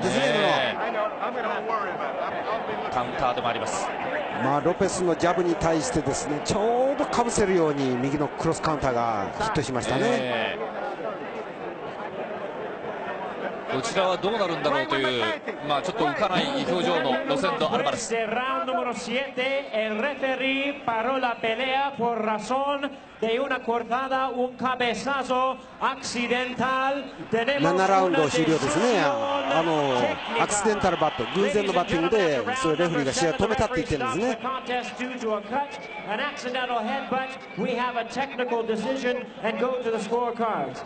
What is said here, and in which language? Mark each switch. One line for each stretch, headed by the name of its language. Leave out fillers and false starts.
Japanese: ですね、カウンターでもあります。まあ、ロペスのジャブに対してですね、ちょうどかぶせるように右のクロスカウンターがヒットしましたね、どちらはどうなるんだろうという、まあ、ちょっと浮かない表情のロセンド・アルバレス。ラウンド7、
Spanish: el referee paró la pelea por razón de una cortada, un cabezazo accidental.
Japanese: 7ラウンド終了ですね。あのアクシデンタルバット、偶然のバッティングで、そのレフリーが試合を止めたって言ってるんですね。